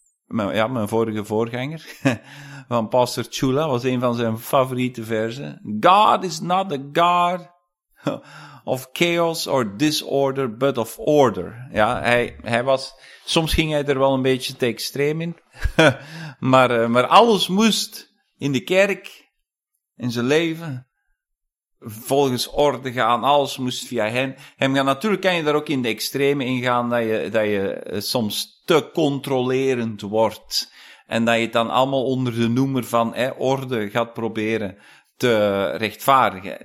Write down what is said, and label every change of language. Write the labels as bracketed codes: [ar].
[nl] mijn vorige voorganger van Pastor Chula was een van zijn favoriete verzen. [en] God is not the God of chaos or disorder, but of order. [nl] Ja, hij was, soms ging hij er wel een beetje te extreem in, maar alles moest in de kerk, in zijn leven, volgens orde gaan, alles moest via hem gaan. Natuurlijk kan je daar ook in de extreme ingaan, dat je soms te controlerend wordt, en dat je het dan allemaal onder de noemer van orde gaat proberen te rechtvaardigen.